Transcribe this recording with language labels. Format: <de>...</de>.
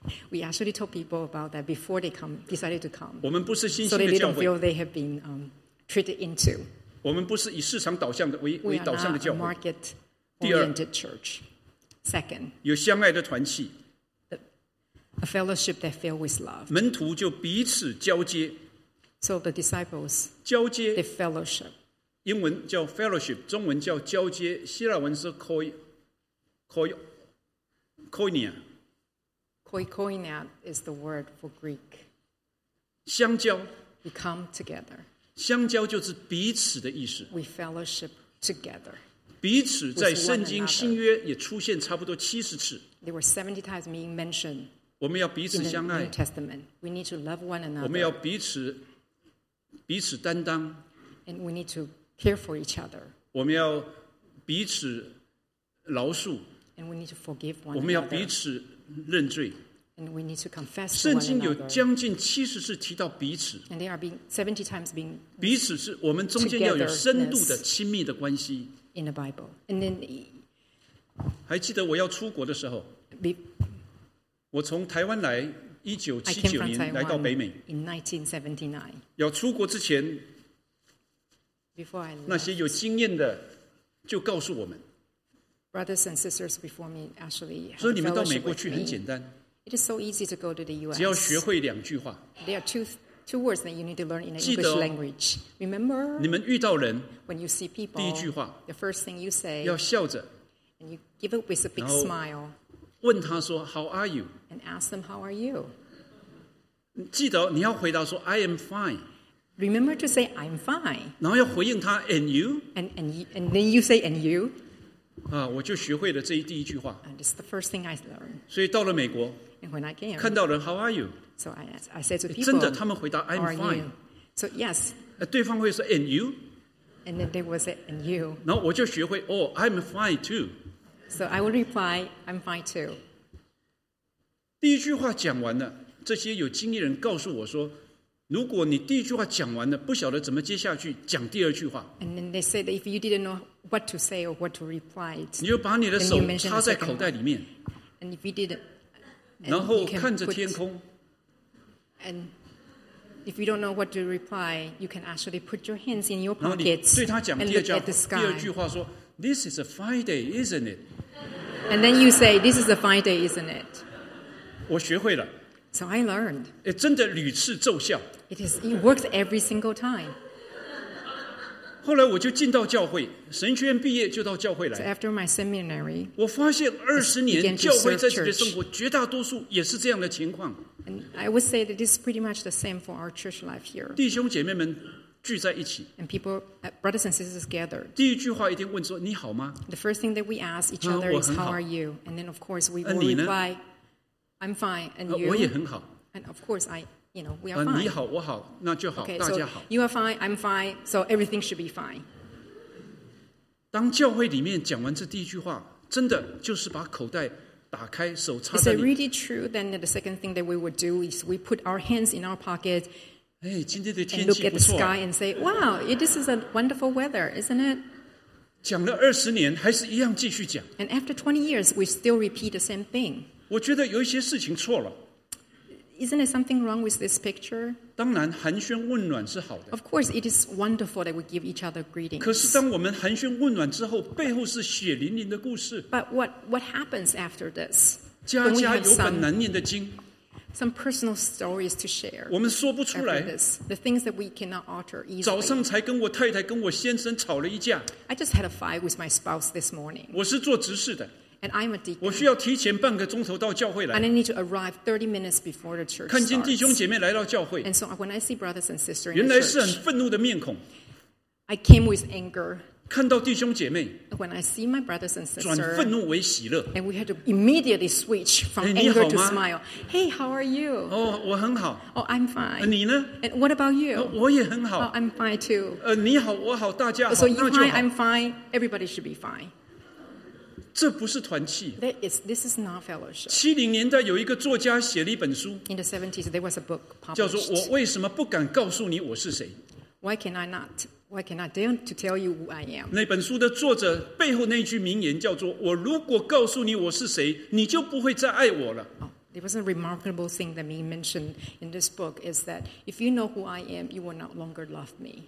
<en>We actually told people about that before they come, decided to come.</en> <zh>我们不是新兴的教会。</zh> <en>So they don't feel they have been treated into.</en> <zh>我们不是以市场导向的为导向的教会。</zh> <en>We are not a market-oriented church. Second,</en> <zh>有相爱的团契。</zh> <en>A fellowship that filled with love.</en> <zh>门徒就彼此交接。</zh> <en>So the disciples</en> <zh>交接</zh> <en>the fellowship.</en> <zh>英文叫 fellowship, 中文叫交接，希腊文是 koinia.</zh> <en>Koinia is the word for Greek.</en> <zh>相交</zh> <en>We come together.</en> <zh>相交就是彼此的意思。</zh> <en>We fellowship together.</en> <zh>彼此在圣经新约也出现差不多70次。</zh> <en>There were 70 times being mentioned.</en> <zh>我们要彼此相爱。</zh> <en>In the New Testament, we need to love one another.</en> <zh>我们要彼此担当。</zh> <en>And we need to care for each other.</en> <zh>我们要彼此饶恕。</zh> <en>And we need to forgive one another.</en> <zh>我们要彼此认罪。</zh> <en>And we need to confess.</en> <zh>圣经有将近70次提到彼此。</zh> <en>And they are being 70 times being.</en> <zh>彼此是我们中间要有深度的亲密的关系。</zh> <en>In the Bible, and then.</en> <zh>还记得我要出国的时候。我从台湾来，1979年来到北美。</zh> <en>In 1979.</en> <zh>要出国之前。</zh> <en>Before I left.</en> <zh>那些有经验的，就告诉我们。</zh> <en>Brothers and sisters before me actually.</en> <zh>所以你们到美国去很简单。</zh> <en>It is so easy to go to the U.S.</en> <zh>只要学会两句话。</zh> <en>There are two words that you need to learn in an English language. Remember.</en> <zh>你们遇到人。</zh> <en>When you see people.</en> <zh>第一句话。</zh> <en>The first thing you say.</en> <zh>要笑着。</zh> <en>And you give it with a big smile.</en> <zh>问他说</zh> <en>How are you? And ask them how are you.</en> <zh>记得你要回答说</zh> <en>I am fine. Remember to say I'm fine.</en> <zh>然后要回应他</zh> <en>And you? And then you say And you?</en> <zh>啊，我就学会了这一第一句话。</zh> <en>And it's the first thing I learned.</en> <zh>所以到了美国。</zh> <en>And when I came,</en> <zh>看到人 ，</zh> <en>How are you? So I said to people,</en> <zh>真的，他们回答 ，</zh> <en>I'm fine. So yes.</en> <zh>对方会说 ，</zh> <en>And you? And then they would say, And you?</en> <zh>然后我就学会 ，</zh> <en>Oh, I'm fine too. So I would reply, I'm fine too.</en> <zh>第一句话讲完了，这些有经验人告诉我说，如果你第一句话讲完了，不晓得怎么接下去，讲第二句话。</zh> <en>And then they said that if you didn't know what to say or what to reply,</en> <zh>你就把你的手插在口袋里面。</zh> <en>And if you didn't.</en> <zh>然后看着天空</zh> <en>and If you don't know what to reply, you can actually put your hands in your pockets and look at the sky.</en> <zh>第二句话说,</zh> <en>this is a fine day, isn't it? And then you say, this is a fine day, isn't it?</en> <zh>我学会了。</zh> <en>So I learned.</en> <zh>诶, 真的屡次奏效。</zh> <en>It works every single time.</en> <zh>后来我就进到教会, 神学院毕业, 就到教会来。</zh> <en>So after my seminary,</en> <zh>我发现20年教会在这里的生活, 绝大多数也是这样的情况。</zh> <en>And I would say that this is pretty much the same for our church life here.</en> <zh>弟兄姐妹们, 聚在一起,</zh> <en>and people, brothers and sisters gather.</en> <zh>第一句话一定问说, 你好吗?</zh> <en>The first thing that we ask each other is, how are you? And then of course we will reply, I'm fine, and you?</en> <zh>我也很好。</zh> <en>And of course, we are fine.</en> <zh>你好, 我好, 那就好,</zh> <en>okay,</en> <zh>大家好。</zh> <en>So you are fine, I'm fine, so everything should be fine.</en> <zh>当教会里面讲完这第一句话, 真的就是把口袋打开, 手插在里,</zh> <en>is it really true then that the second thing that we would do is we put our hands in our pockets, 哎, and look at the sky and say, wow, this is a wonderful weather, isn't it?</en> <zh>讲了20年, 还是一样继续讲。</zh> <en>And after 20 years, we still repeat the same thing.</en> <zh>我觉得有一些事情错了。</zh> <en>Isn't there something wrong with this picture?</en> <zh>当然寒暄问暖是好的。</zh> <en>Of course, it is wonderful that we give each other greetings.</en> <zh>可是当我们寒暄问暖之后, 背后是血淋淋的故事。</zh> <en>But what happens after this?</en> <zh>家家有本难念的经。</zh> <en>Some personal stories to share.</en> <zh>我们说不出来,</zh> <en>this, the things that we cannot utter easily.</en> <zh>早上才跟我太太跟我先生吵了一架。</zh> <en>I just had a fight with my spouse this morning.</en> <zh>我是做执事的。</zh> <en>And I'm a deacon.</en> <zh>我需要提前半个钟头到教会来。</zh> <en>And I need to arrive 30 minutes before the church starts.</en> <zh>看见弟兄姐妹来到教会。</zh> <en>And so when I see brothers and sisters in the church,</en> <zh>原来是很愤怒的面孔。</zh> <en>I came with anger.</en> <zh>看到弟兄姐妹,</zh> <en>when I see my brothers and sisters,</en> <zh>转愤怒为喜乐,</zh> <en>and we had to immediately switch from 哎, anger to smile. Hey, how are you?</en> <zh>Oh, 我很好。</zh> <en>Oh, I'm fine.</en> <zh>你呢?</zh> <en>And what about you?</en> <zh>我也很好。</zh> <en>Oh, I'm fine too.</en> <zh>你好, 我好, 大家好,</zh> <en>so you're fine, I'm fine. Everybody should be fine.</en> <zh>这不是团契。</zh> <en>This is not fellowship.</en> <zh>70年代有一个作家写了一本书,</zh> <en>in the 70s, there was a book published,</en> <zh>叫做我为什么不敢告诉你我是谁?</zh> <en>Why can I not? Why can I dare to tell you who I am?</en> <zh>那本书的作者背后那句名言叫做, 我如果告诉你我是谁, 你就不会再爱我了。</zh> <en>Oh, there was a remarkable thing that he mentioned in this book, is that if you know who I am, you will no longer love me.</en>